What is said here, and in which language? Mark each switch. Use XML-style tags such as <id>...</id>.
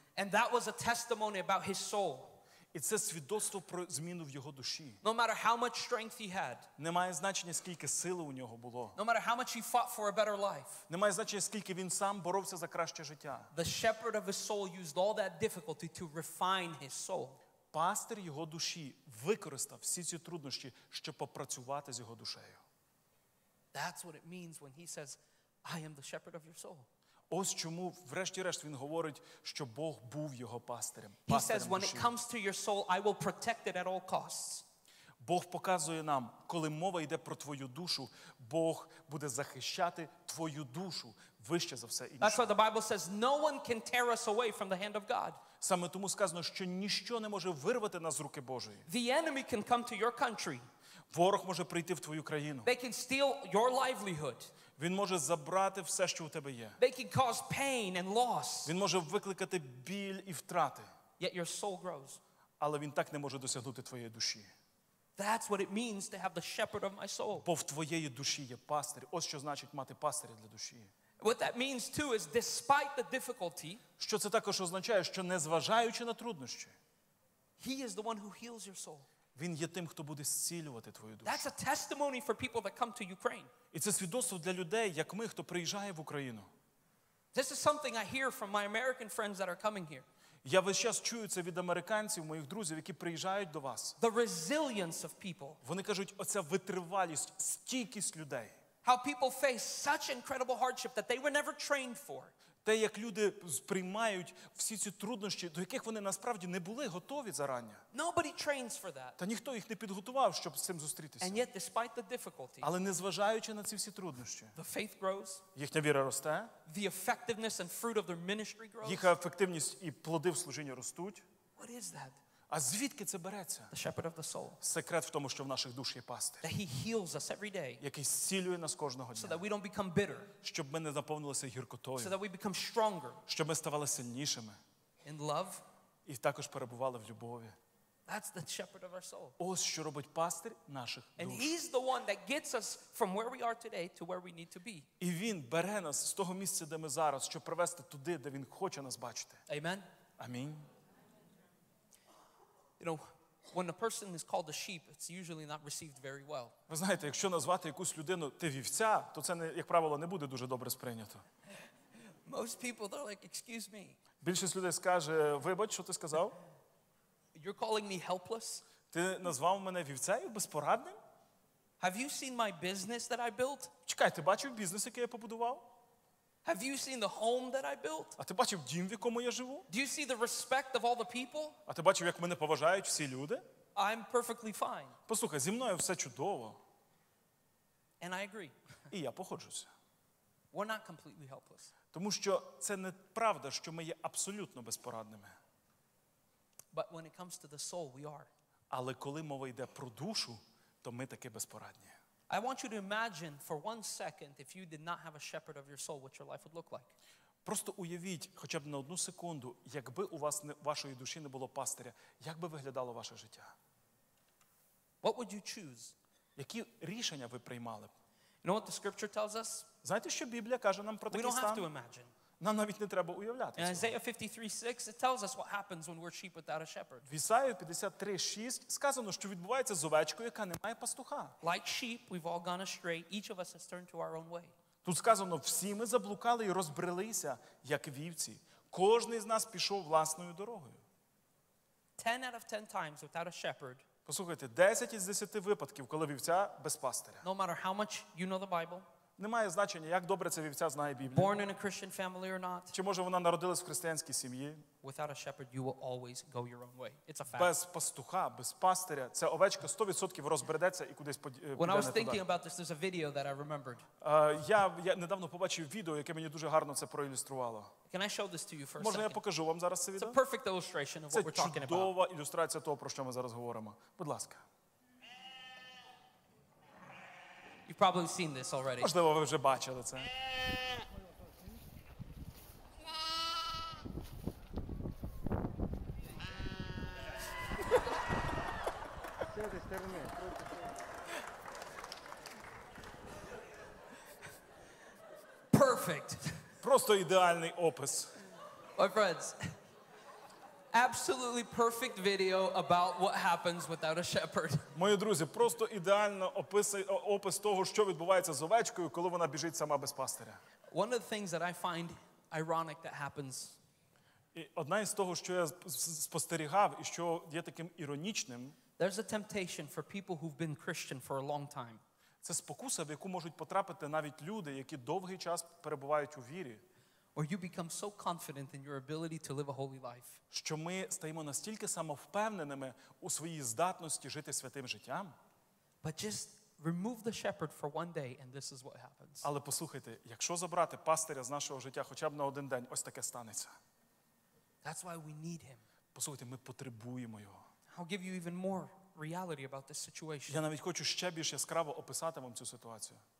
<en>and that was a testimony about his soul.</en> <uk>І це свідоцтво про зміну в його душі.</uk> <en>No matter how much strength he had,</en> <uk>немає значення, скільки сили у нього було.</uk> <en>No matter how much he fought for a better life,</en> <uk>немає значення, скільки він сам боровся за краще життя.</uk> <en>The shepherd of his soul used all that difficulty to refine his soul.</en> <uk>Пастир його душі використав всі ці труднощі, щоб попрацювати з його душею.</uk> <en>That's what it means when he says, I am the shepherd of your soul.</en> <uk>Ось чому врешті-решт він говорить, що Бог був його пастирем.</uk> <en>He says, when it comes to your soul, I will protect it at all costs.</en> <uk>Бог показує нам, коли мова йде про твою душу, Бог буде захищати твою душу вище за все інше.</uk> <en>That's why the Bible says, no one can tear us away from the hand of God.</en> <uk>Саме тому сказано, що ніщо не може вирвати нас з руки Божої.</uk> <en>The enemy can come to your country,</en> <uk>Ворог може прийти в твою країну.</uk> <en>They can steal your livelihood.</en> <uk>Він може забрати все, що у тебе є.</uk> <en>They can cause pain and loss.</en> <uk>Він може викликати біль і втрати.</uk> <en>Yet your soul grows.</en> <uk>Але він так не може досягнути твоєї душі.</uk> <en>That's what it means to have the shepherd of my soul.</en> <uk>Бо в твоєї душі є пастир. Ось що значить мати пастиря для душі.</uk> <en>What that means too is despite the difficulty,</en> <uk>що це також означає, що незважаючи на труднощі,</uk> <en>he is the one who heals your soul.</en> <uk>Він є тим, хто буде зцілювати твою душу.</uk> <en>That's a testimony for people that come to Ukraine.</en> <uk>І це свідоцтво для людей, як ми, хто приїжджає в Україну.</uk> <en>This is something I hear from my American friends that are coming here.</en> <uk>Я весь час чую це від американців, моїх друзів, які приїжджають до вас.</uk> <en>The resilience of people.</en> <uk>Вони кажуть, оця витривалість, стійкість людей.</uk> <en>How people face such incredible hardship that they were never trained for.</en> <uk>Те, як люди сприймають всі ці труднощі, до яких вони насправді не були готові зарані.</uk> <en>Nobody trains for that.</en> <uk>Та ніхто їх не підготував, щоб з цим зустрітися.</uk> <en>And yet, despite the difficulty,</en> <uk>але незважаючи на ці всі труднощі,</uk> <en>the faith grows,</en> <uk>їхня віра росте,</uk> <en>the effectiveness and fruit of their ministry grows,</en> <uk>їхня ефективність і плоди в служінні ростуть.</uk> <en>What is that?</en> <uk>А звідки це береться?</uk> <en>The shepherd of the soul.</en> <uk>Секрет в тому, що в наших душ є пастир.</uk> <en>That he heals us every day.</en> <uk>Який зцілює нас кожного дня.</uk> <en>So that we don't become bitter.</en> <uk>Щоб ми не наповнилися гіркотою.</uk> <en>So that we become stronger.</en> <uk>Щоб ми ставали сильнішими.</uk> <en>In love.</en> <uk>І також перебували в любові.</uk> <en>That's the shepherd of our soul.</en> <uk>Ось що робить пастир наших душ.</uk> <en>And he's the one that gets us from where we are today to where we need to be.</en> <uk>І він бере нас з того місця, де ми зараз, щоб привести туди, де він хоче нас бачити.</uk> <en>Amen.</en> <uk>Амінь.</uk> <en>You know, when a person is called a sheep, it's usually not received very well.</en> <uk>Ви знаєте, якщо назвати якусь людину ти вівця, то це не, як правило, не буде дуже добре сприйнято.</uk> <en>Most people they're like, "Excuse me."</en> <uk>Більшість людей скаже: "Вибач, що ти сказав?"</uk> <en>You're calling me helpless?</en> <uk>Ти назвав мене вівцею, безпорадним?</uk> <en>Have you seen my business that I built?</en> <uk>Чекай, ти бачив бізнес, який я побудував?</uk> <en>Have you seen the home that I built?</en> <uk>А ти бачив дім, в якому я живу?</uk> <en>Do you see the respect of all the people?</en> <uk>А ти бачив, як мене поважають всі люди?</uk> <en>I'm perfectly fine.</en> <uk>Послухай, зі мною все чудово.</uk> <en>And I agree.</en> <uk>І я погоджуся.</uk> <en>We're not completely helpless.</en> <uk>Тому що це не правда, що ми є абсолютно безпорадними.</uk> <en>But when it comes to the soul, we are.</en> <uk>Але коли мова йде про душу, то ми таки безпорадні.</uk> <en>I want you to imagine for one second if you did not have a shepherd of your soul, what your life would look like.</en> <uk>Просто уявіть хоча б на одну секунду, якби у вас не, вашої душі не було пастиря, як би виглядало ваше життя?</uk> <en>What would you choose?</en> <uk>Які рішення ви приймали б?</uk> <en>You know what the scripture tells us?</en> <uk>Знаєте, що Біблія каже нам про такий стан?</uk> <en>We don't have to imagine.</en> <uk>Нам навіть не треба уявляти.</uk> <en>In Isaiah 53:6 it tells us what happens when we're sheep without a shepherd.</en> <uk>В Ісаї 53:6 сказано, що відбувається з овечкою, яка не має пастуха.</uk> <en>Like sheep, we've all gone astray, each of us has turned to our own way.</en> <uk>Тут сказано, всі ми заблукали і розбрелися, як вівці. Кожен із нас пішов власною дорогою.</uk> <en>10 out of 10 times without a shepherd.</en> <uk>Послухайте, 10 із 10 випадків, коли вівця без пастиря.</uk> <en>No matter how much you know the Bible.</en> <uk>Немає значення, як добре ця вівця знає Біблію.</uk> <en>Born in a Christian family or not.</en> <uk>Чи може вона народилась в християнській сім'ї?</uk> <en>Without a shepherd, you will always go your own way. It's a fact.</en> <uk>Без пастуха, без пастиря, ця овечка 100% розбредеться і кудись піде.</uk> <en>When I was thinking about this, there's a video that I remembered.</en> <uk>Я недавно побачив відео, яке мені дуже гарно це проілюструвало.</uk> <en>Can I show this to you first?</en> <uk>Можна я покажу вам зараз це відео?</uk> <en>It's a perfect illustration of what we're talking about.</en> <uk>Це чудова ілюстрація того, про що ми зараз говоримо. Будь ласка.</uk> <en>You've probably seen this already.</en> <uk>Можливо, ви вже бачили це.</uk> <en>Perfect.</en> <uk>Просто ідеальний опис.</uk> <en>My friends, absolutely perfect video about what happens without a shepherd.</en> <uk>Мої друзі, просто ідеально опис того, що відбувається з овечкою, коли вона біжить сама без пастиря.</uk> <en>One of the things that I find ironic that happens.</en> <uk>І одна із того, що я спостерігав і що є таким іронічним.</uk> <en>There's a temptation for people who've been Christian for a long time.</en> <uk>Це спокуса, в яку можуть потрапити навіть люди, які довгий час перебувають у вірі.</uk> <en>Or you become so confident in your ability to live a holy life.</en> <uk>Що ми стаємо настільки самовпевненими у своїй здатності жити святим життям.</uk> <en>But just remove the shepherd for one day and this is what happens.</en> <uk>Але послухайте, якщо забрати пастиря з нашого життя хоча б на один день, ось таке станеться.</uk> <en>That's why we need him.</en> <uk>Послухайте, ми потребуємо його.</uk> <en>I'll give you even more. reality about this situation.</en> <uk>Я навіть хочу ще більш яскраво описати вам цю ситуацію.</uk>